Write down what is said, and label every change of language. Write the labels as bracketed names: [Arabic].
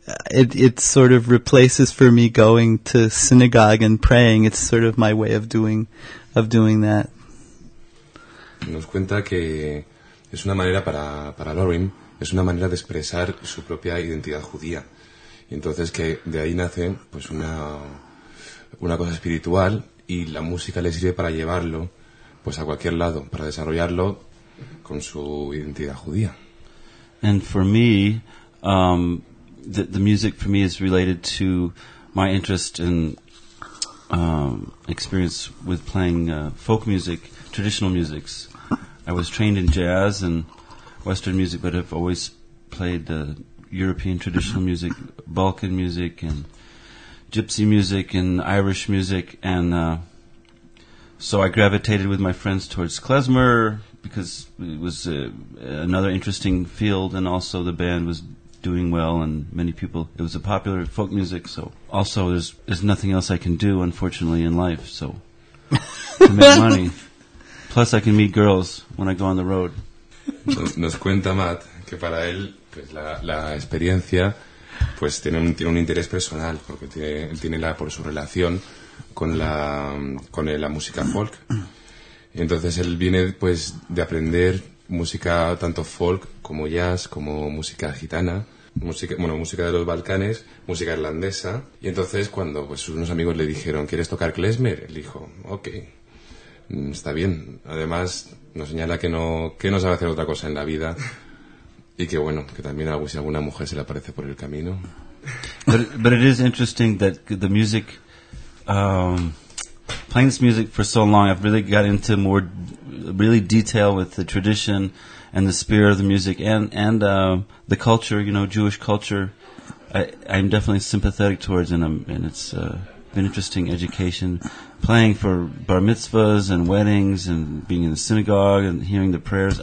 [English] It sort of replaces for me going to synagogue and praying. It's sort of my way of doing that. [Spanish] Nos cuenta que es una manera para Lauren, es una manera de expresar su propia identidad judía. Y entonces que de ahí nace pues una cosa espiritual, y la música le sirve para llevarlo pues a cualquier lado, para desarrollarlo con su identidad judía. [English] And for me, the music for me is related to my interest in experience with playing folk music, traditional musics. I was trained in jazz and Western music, but have always played the European traditional music, Balkan music, and Gypsy music, and Irish music, and so I gravitated with my friends towards klezmer, because it was another interesting field, and also the band was doing well, and many people, it was a popular folk music, so also there's nothing else I can do, unfortunately, in life, so to make money. Plus I can meet girls when I go on the road. [Spanish] Nos cuenta Matt que para él pues la experiencia pues tiene un interés personal, porque tiene la por su relación con la música folk. Entonces él viene pues de aprender música tanto folk como jazz, como música gitana, música de los Balcanes, música irlandesa. Y entonces cuando pues unos amigos le dijeron, ¿quieres tocar klezmer? Él dijo, ok, está bien. Además, nos señala que no sabe hacer otra cosa en la vida. Y que bueno, que también si alguna mujer se le aparece por el camino. [English] But it is interesting that the music, playing this music for so long, I've really got into more really detail with the tradition and the spirit of the music and the culture, you know, Jewish culture. I'm definitely sympathetic towards, and it's been interesting education, playing for bar mitzvahs and weddings and being in the synagogue and hearing the prayers.